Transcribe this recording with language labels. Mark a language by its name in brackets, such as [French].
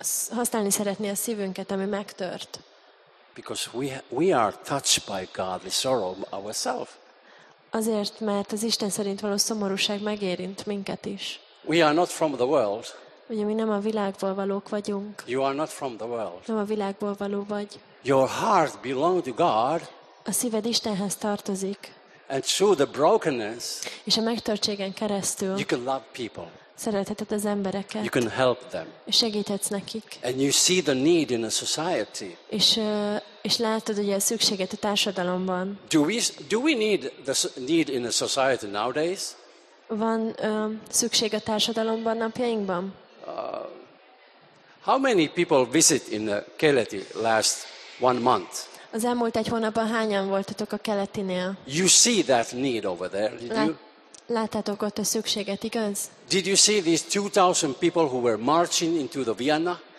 [Hungarian] Használni szeretné a szívünket, ami megtört. [English] Because we are touched by godly sorrow ourselves. [Hungarian] Azért, mert az Isten szerint való szomorúság megérint minket is. [English] We are not from the world. [Hungarian] Ugye mi nem a világból valók vagyunk. [English] You are not from the world. [Hungarian] Nem a világból való vagy. [English] Your heart belongs to God. [Hungarian] A szíved Istenhez tartozik. [English] And through the brokenness. [Hungarian] És a megtörtségen keresztül. [English] You can love people. [Hungarian] Szeretheted az embereket. [English] You can help them. [Hungarian] És segíthetsz nekik. [English] And you see the need in a society. [Hungarian] És látod, hogy a szükséget a társadalomban. [English] Do we need the need in a society nowadays? [Hungarian] Van szükség a társadalomban napjainkban? [English] How many people visit in the Keleti last 1 month? [Hungarian] Az elmúlt egy hónapban hányan voltatok a Keletinél? [English] You see that need over there, did you? [Hungarian] Láttátok ott a szükséget, igaz? [English] Did you see these 2,000 people who were marching into the Vienna?